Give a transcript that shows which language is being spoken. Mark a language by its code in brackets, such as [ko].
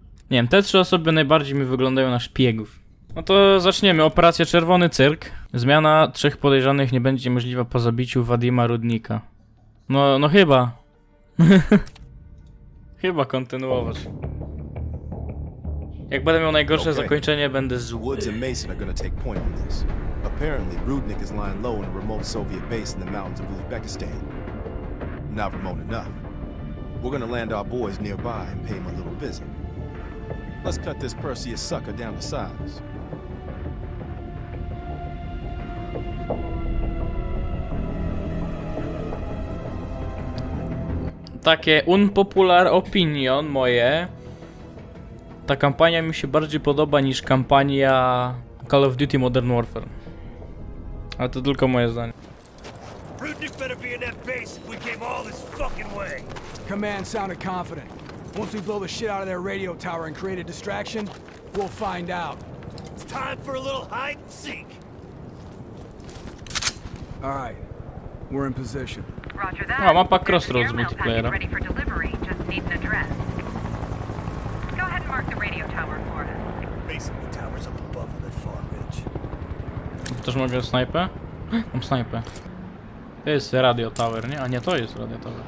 [pl] Nie wiem, te trzy osoby najbardziej mi wyglądają na szpiegów. No to zaczniemy, operacja Czerwony Cyrk. Zmiana trzech podejrzanych nie będzie możliwa po zabiciu Vadima Rudnika. No chyba. Chyba kontynuować. Jak będę miał najgorsze zakończenie, będę z [en] Woods and Mason are gonna take point on this. Apparently Rudnik is lying low in a remote Soviet base in the mountains of Uzbekistan. Not remote enough. We're gonna land our boys nearby and pay him a little visit. Let's cut this Perseus sucker down to size. [pl] Takie [en] unpopular opinion [pl] moje. Ta kampania mi się bardziej podoba niż kampania Call of Duty Modern Warfare. Ale to tylko moje zdanie. [en] Rudnik better be in that base if we came all this fucking way. Command sounded confident. Once we blow the shit out of their radio tower and create a distraction, we'll find out. It's time for a little hide and seek. All right, we're in position. Roger that. [pl] A mapa Crossroads multiplayer. [en] Ready for delivery, just need an address. Go ahead and mark the radio tower for us. Basically, the tower's up above the far ridge. [pl] Ktoś ma jakiegoś snajpa? Mam snajpa. To jest radio tower, nie? A nie, to jest radio tower.